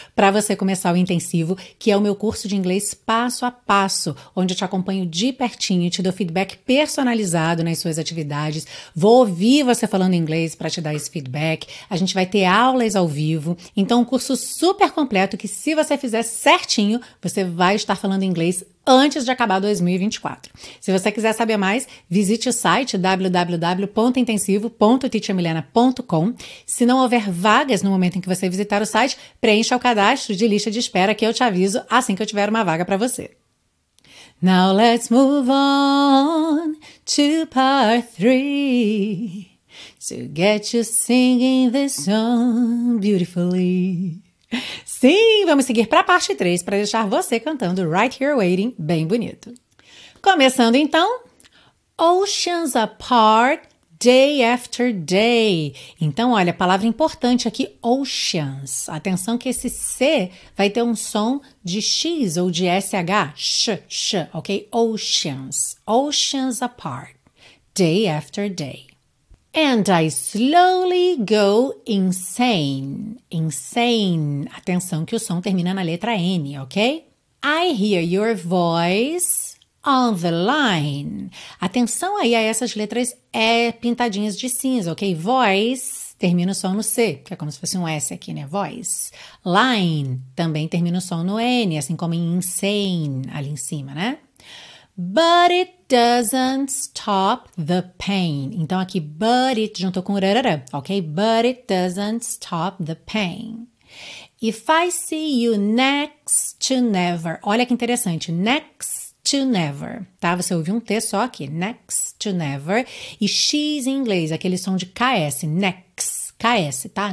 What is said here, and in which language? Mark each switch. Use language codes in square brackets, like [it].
[pt] para você começar o intensivo, que é o meu curso de inglês passo a passo, onde eu te acompanho de pertinho, te dou feedback personalizado nas suas atividades, vou ouvir você falando inglês para te dar esse feedback, a gente vai ter aulas ao vivo, então um curso super completo que se você fizer certinho, você vai estar falando inglês antes de acabar 2024. Se você quiser saber mais, visite o site www.intensivo.teachermilena.com. Se não houver vagas no momento em que você visitar o site, preencha o cadastro de lista de espera que eu te aviso assim que eu tiver uma vaga para você. [en] Now let's move on to part 3 to get you singing this song beautifully. [pt] Sim, vamos seguir para a parte 3 para deixar você cantando Right Here Waiting bem bonito. Começando então, [en] Oceans Apart, Day After Day. [pt] Então, olha, a palavra importante aqui, oceans. Atenção que esse C vai ter um som de X ou de SH, sh, sh, ok? [en] Oceans, oceans apart, day after day. And I slowly go insane. Insane. [pt] Atenção que o som termina na letra N, ok? [en] I hear your voice on the line. [pt] Atenção aí a essas letras E pintadinhas de cinza, ok? Voice termina o som no C, que é como se fosse um S aqui, né? Voice. Line também termina o som no N, assim como em insane ali em cima, né? [en] But it doesn't stop the pain. [pt] Então aqui, but it juntou com rarara, ok? [en] But it doesn't stop the pain. If I see you next to never. [pt] Olha que interessante, [en] next to never. [pt] Tá? Você ouviu um T só aqui, next to never. E X em inglês, aquele som de KS, next, KS, tá?